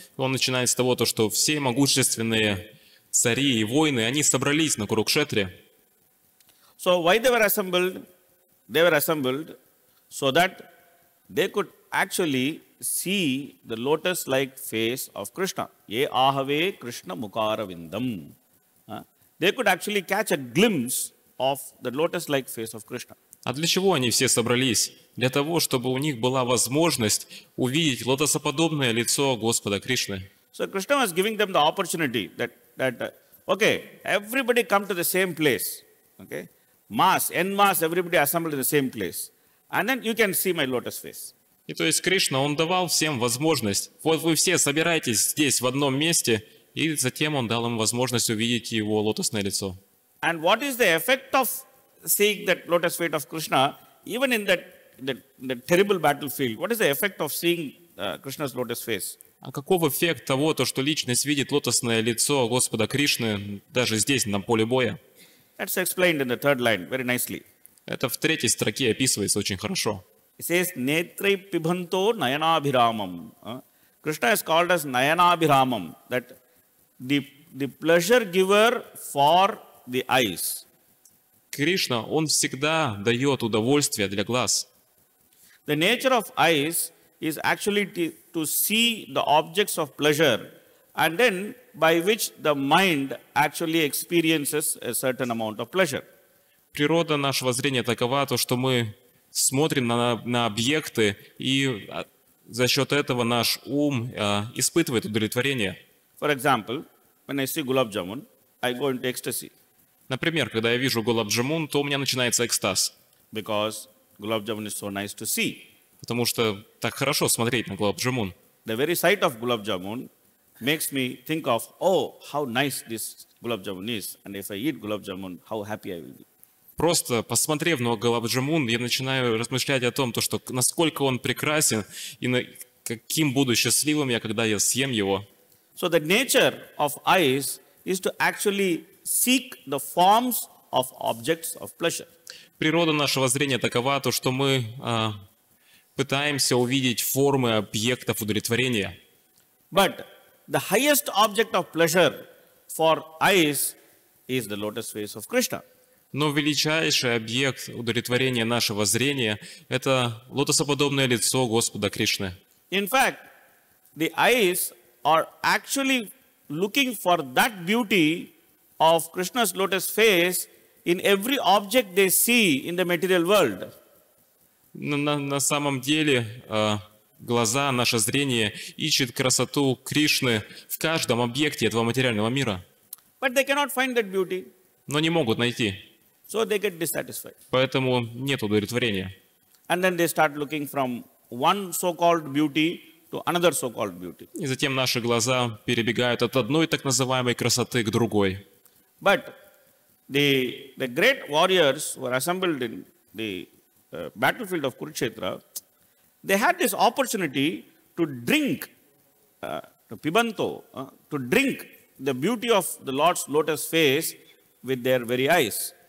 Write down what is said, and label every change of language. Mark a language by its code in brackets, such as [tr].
[ru] Он начинает с того, что все могущественные цари и воины, они собрались на Курукшетре. [en] So why they were assembled? They were assembled so that they could actually see the lotus-like face of Krishna. [sa] Ye ahave Krishna mukaravindam. [en] They could actually catch a glimpse of the lotus-like face of Krishna. [ru] А для чего они все собрались? Для того, чтобы у них была возможность увидеть лотосоподобное лицо Господа Кришны. [en] So Krishna was giving them the opportunity that everybody come to the same place. Okay? Mass, en masse, everybody assembled in the same place. And then you can see my lotus face. [ru] И то есть Кришна, он давал всем возможность. Вот вы все собираетесь здесь в одном месте, и затем он дал им возможность увидеть его лотосное лицо. [en] And what is the effect of seeing that lotus feet of Krishna, even in that terrible battlefield? What is the effect of seeing Krishna's lotus face? [ru] А каков эффект того, то что личность видит лотосное лицо Господа Кришны даже здесь, на поле боя? [en] That's explained in the third line very nicely. [ru] Это в третьей строке описывается очень хорошо. [en] It says, [sa] Netrai Pibhanto Nayanabhiramam. [en] Krishna has called us Nayanabhiramam, that the pleasure giver for the eyes. [ru] Кришна, он всегда дает удовольствие для глаз. [en] The nature of eyes is actually to see the objects of pleasure, and then by which the mind actually experiences a certain amount of pleasure. [ru] Природа нашего зрения такова, то что мы смотрим на объекты, и за счет этого наш ум испытывает удовлетворение. [en] For example, when I see gulab jamun, I go into ecstasy. [ru] Например, когда я вижу гулаб джамун, то у меня начинается экстаз. [en] Because gulab jamun is so nice to see. [ru] Потому что так хорошо смотреть на гулаб джамун. [en] The very sight of gulab jamun makes me think of, oh, how nice this gulab jamun is, and if I eat gulab jamun, how happy I will be. [ru] Просто посмотрев на гулаб джамун, я начинаю размышлять о том, то что насколько он прекрасен и на каким буду счастливым я, когда я съем его. [en] So the nature of eyes is to actually seek the forms of objects of pleasure. [ru] Природа нашего зрения такова, то что мы пытаемся увидеть формы объектов удовлетворения. [en] But the highest object of pleasure for eyes is the lotus face of Krishna. [ru] Но величайший объект удовлетворения нашего зрения – это лотосоподобное лицо Господа Кришны. [en] In fact, the eyes are actually looking for that beauty of Krishna's lotus face in every object they see in the material world. [ru] На самом деле, глаза, наше зрение ищет красоту Кришны в каждом объекте этого материального мира. [en] But they cannot find that beauty. [ru] Но не могут найти. [en] So they get dissatisfied. [ru] Поэтому нет удовлетворения. [en] And then they start looking from one so-called beauty to another so-called beauty. [ru] И затем наши глаза перебегают от одной так называемой красоты к другой. [en] But the great warriors were assembled in the battlefield of Kurukshetra. They had this opportunity to drink, to drink the beauty of the Lord's lotus face with their very eyes.